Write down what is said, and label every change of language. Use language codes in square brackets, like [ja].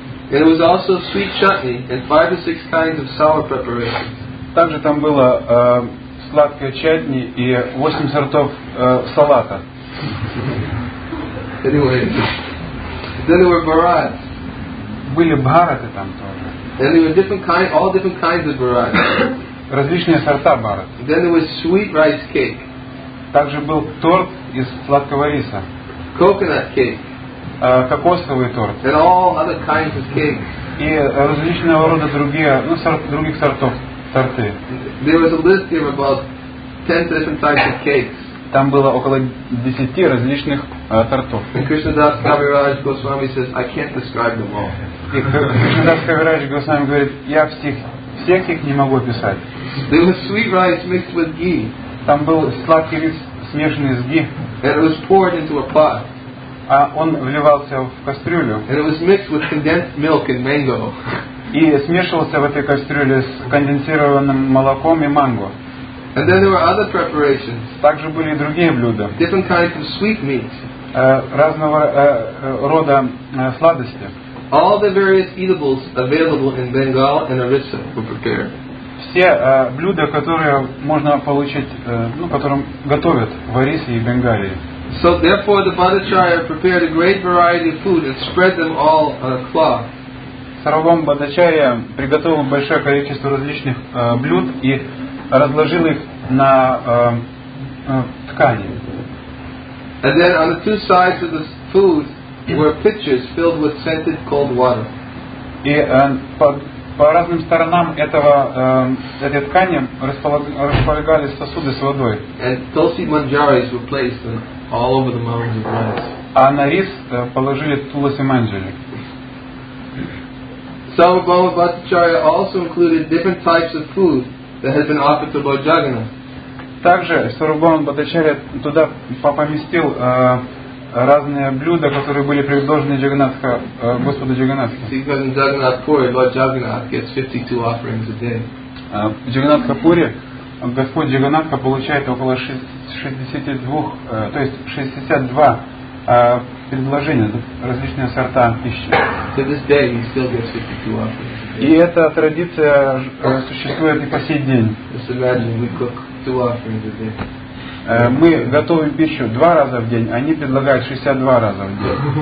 [en] It was also sweet chutney and 5 or 6 kinds of sour preparations. [ru] Также там было сладкое чатни и 8 сортов салата. [en] Anyway, then there were bharat. [ru] Были бхараты там тоже. [en] Then there were different kinds, all different kinds of bharat. [ru] Различные сорта бхарат. [en] Then there was sweet rice cake. [ru] Также был торт из сладкого риса. [en] Coconut cake. [ru] Кокосовый торт. [en] And all other kinds of cakes. [ru] И различного рода другие, других сортов торты. [en] There was a list of about 10 different types of cakes. [ru] Там было около 10 различных тортов. [en] And Krishnadas Kaviraj Goswami says, I can't describe them all. [ru] Krishnadas Kaviraj Goswami говорит, я всех их не могу описать. [en] There was sweet rice mixed with ghee. [ru] Там был сладкий рис, смешанный с ги. [en] And it was poured into a pot. [ru] А он вливался в кастрюлю. [en] And it was mixed with condensed milk and mango. [ru] И смешивался в этой кастрюле с конденсированным молоком и манго. [en] And then there were other preparations. [ru] Также были другие блюда. [en] Different kinds of sweet meats. [ru] Разного рода сладости. [en] All the various eatables available in Bengal and Orissa were prepared. [ru] Все блюда, которые можно получить, которым готовят в Орисе и Бенгалии. [en] So therefore the Bhattacharya prepared a great variety of food and spread them all on a cloth. [ru] Саравам Бхаттачарья приготовил большое количество различных блюд и разложил их на ткани. [en] And then on the two sides of the food were pitchers filled with scented cold water. [ru] И по разным сторонам этой ткани располагались сосуды с водой. [en] And tulsi manjaris were placed all over the mounds of rice. [ru] А на рис положили туласи манджари. [en] Some of our Bhattacharya also included different types of food that has been offered to Lord Jagannath. [ru] Также Сарубхама Бхаттачарья туда поместил разные блюда, которые были предложены Господу Джаганатху. [en] Because in Jagannath Puri, Lord Jagannath gets 52 offerings a day. [ru] В Джаганатха Пури Господь Джаганатха получает около 62 предложения, различные сорта пищи. [en] To this day, he still gets 52 offers. [ru] И эта традиция существует и по сей день. [en] Just imagine, we cook 2 offers a day. [ru] Мы готовим пищу 2 раза в день, они предлагают 62 раза в день.